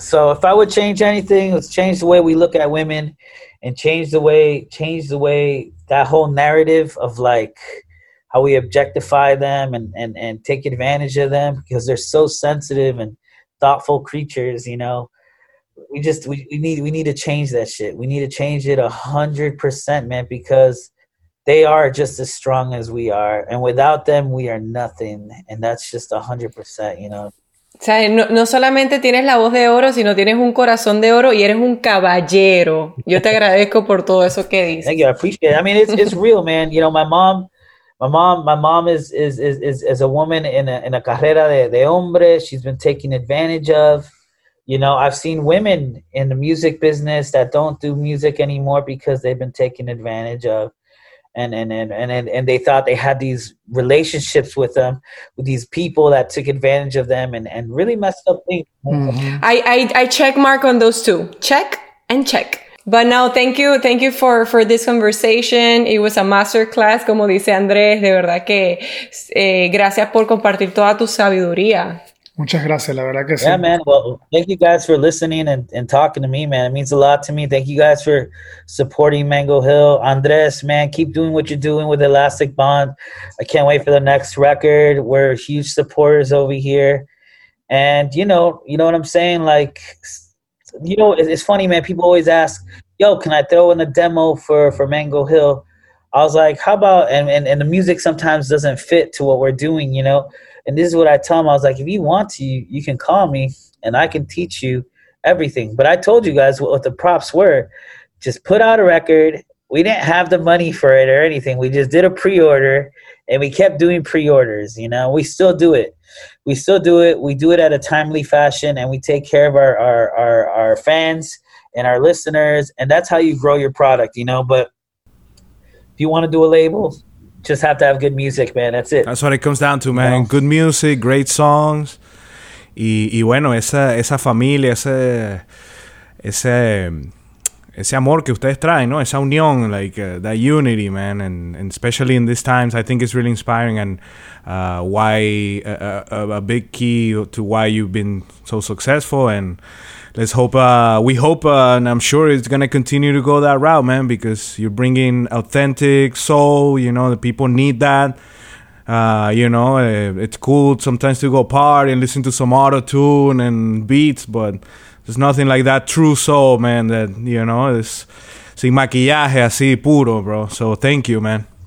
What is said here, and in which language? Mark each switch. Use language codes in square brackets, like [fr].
[en] So if I would change anything, it's change the way we look at women and change the way that whole narrative of like, how we objectify them and take advantage of them, because they're so sensitive and thoughtful creatures, you know. We need to change that shit. We need to change it 100%, man, because they are just as strong as we are. And without them, we are nothing. And that's just 100%, you know. [es] O sea, no solamente tienes la voz de oro, sino tienes un corazón de oro y eres un caballero. Yo te agradezco por todo eso que dices. [en] Thank you. I appreciate it. I mean, it's real, man. You know, my mom is a woman in a carrera de hombre. She's been taken advantage of. You know, I've seen women in the music business that don't do music anymore because they've been taken advantage of, and they thought they had these relationships with them, with these people that took advantage of them and really messed up things. Mm-hmm. I check mark on those two. Check and check. But no, thank you. Thank you for this conversation. It was a masterclass, como dice Andrés. [es] De verdad que gracias por compartir toda tu sabiduría. Muchas gracias, la verdad que sí. [en] Yeah, man. Well, thank you guys for listening and talking to me, man. It means a lot to me. Thank you guys for supporting Mango Hill. Andrés, man, keep doing what you're doing with Elastic Bond. I can't wait for the next record. We're huge supporters over here. And, you know what I'm saying? Like, you know, it's funny, man. People always ask, yo, can I throw in a demo for Mango Hill? I was like, how about, and the music sometimes doesn't fit to what we're doing, you know? And this is what I tell them. I was like, if you want to, you can call me and I can teach you everything. But I told you guys what the props were. Just put out a record. We didn't have the money for it or anything. We just did a pre-order and we kept doing pre-orders. You know, we still do it. We do it at a timely fashion and we take care of our fans and our listeners. And that's how you grow your product, you know. But if you want to do a label, just have to have good music, man. That's it. That's what it comes down to, man. You know? Good music, great songs. [es] Y bueno, esa familia, ese amor que ustedes traen, ¿no? [en] Esa unión, like that unity, man. And especially in these times, I think it's really inspiring. And why a big key to why you've been so successful. And let's hope, and I'm sure it's going to continue to go that route, man, because you're bringing authentic soul, you know, the people need that, you know, it's cool sometimes to go party and listen to some auto-tune and beats, but there's nothing like that true soul, man, that, you know, it's sin maquillaje, así puro, bro, so thank you, man.